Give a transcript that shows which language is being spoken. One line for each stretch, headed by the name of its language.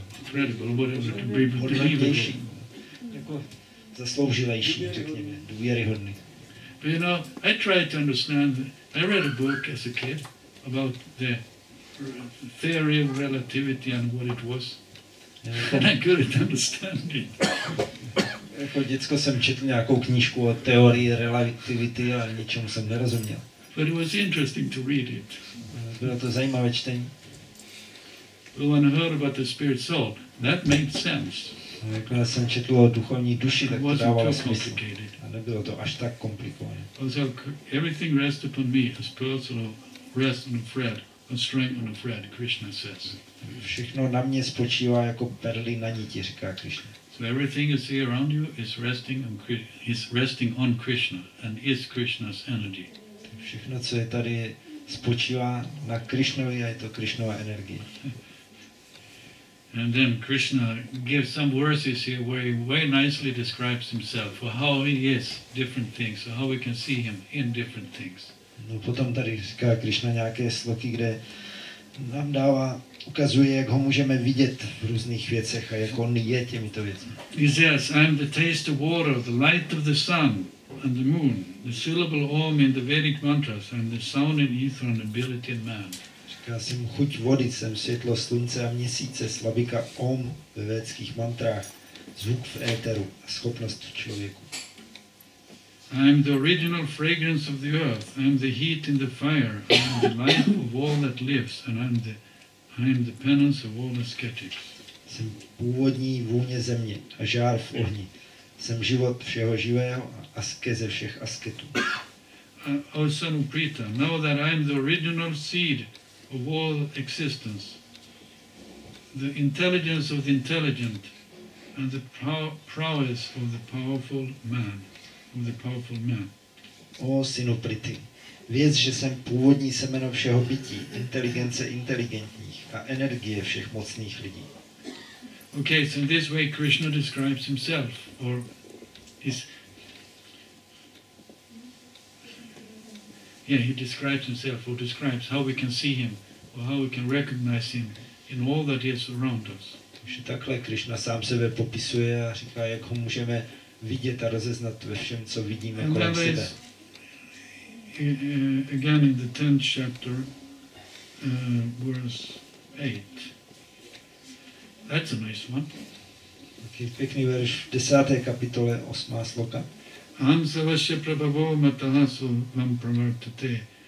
English: credible, whatever, to be believable.
Czech: Jako zasloužilejší, řekněme, důvěryhodný.
English: But you know, I tried to understand, I read a book as a kid about the theory of relativity and what it was. And I couldn't understand it.
Czech: Jako děcko jsem četl nějakou knížku o teorii relativity a ničemu jsem nerozuměl.
English: But it was interesting to read it.
Czech: Bylo to zajímavé čtení.
English: But when I heard about the spirit soul, that made sense.
Czech: Jakmile jsem četl o duchovní duši, tak to dávalo smysl. A nebylo to až tak komplikované.
English: Also, everything rests upon me, as personal rest on a thread, on string on a thread, Krishna says.
Czech: Všechno na mě spočívá jako perly na niti, říká Krishna.
English: So everything you see around you is resting on Krishna and is Krishna's energy.
Czech: Všechno, co je tady, spočívá na Krishnovi a je to Krishnova energie.
English: And then Krishna gives some verses here where he very nicely describes himself or how he is different things or how we can see him in different things.
Czech: No potom tady říká Krishna nějaké sloky, kde nám dává, ukazuje, jak ho můžeme vidět v různých věcech a jak on je těmito věcmi.
English: He says, I am the taste of water, the light of the sun and the moon, the syllable om in the Vedic mantras and the sound in ether and ability in man.
Czech: Já jsem chuť vody, jsem světlo slunce a měsíce, slabika om ve védských mantrách, zvuk v éteru a schopnost v člověku.
English: I am the original fragrance of the earth, I am the heat in the fire, I am the life of all that lives, and I am the penance of all ascetics.
Czech: Jsem původní vůně země a žár v ohni, jsem život všeho živého a askeze všech asketů.
English: O son of Prita, know that I am the original seed of all existence, the intelligence of the intelligent, and the prowess of the powerful man, of the powerful man.
Czech: O synu Priti, věc, že jsem původní semeno všeho bytí, inteligence inteligentních a energie všech mocných lidí.
English: Okay, so in this way Krishna describes himself, or is. Yeah, he describes himself, or describes how we can see him. Or how we can recognize him in all that is around us.
Czech: Takže takhle Krishna sám sebe popisuje a říká, jak ho můžeme vidět a rozeznat ve všem, co vidíme kolem sebe.
English: Again in the 10th chapter, verse 8. That's a nice one.
Czech: Taky pěkný verš v 10. kapitole, 8. sloka.
Sanskrit: Aham savasya prabhavo matahasu mam pramartate.